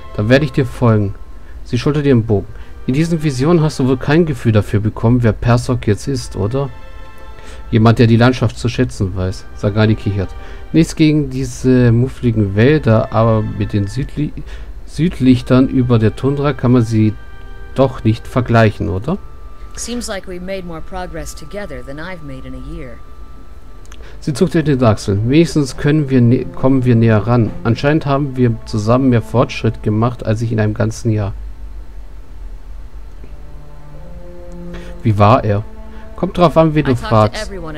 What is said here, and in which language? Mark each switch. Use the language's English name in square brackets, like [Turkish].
[German] Da werde ich dir folgen. Sie schultert ihren Bogen. In diesen Visionen hast du wohl kein Gefühl dafür bekommen, wer Persok jetzt ist, oder? Jemand, der die Landschaft zu schätzen weiß. Sagani kichert. Nichts gegen diese muffligen Wälder, aber mit den Südlichtern über der Tundra kann man sie doch nicht vergleichen, oder? [English] Seems like we've made more progress together than I've made in a year. [German] Sie zuckt in den Achseln. Wenigstens kommen wir näher ran. Anscheinend haben wir zusammen mehr Fortschritt gemacht, als ich in einem ganzen Jahr. Wie war er? Kommt drauf an, wen du fragst.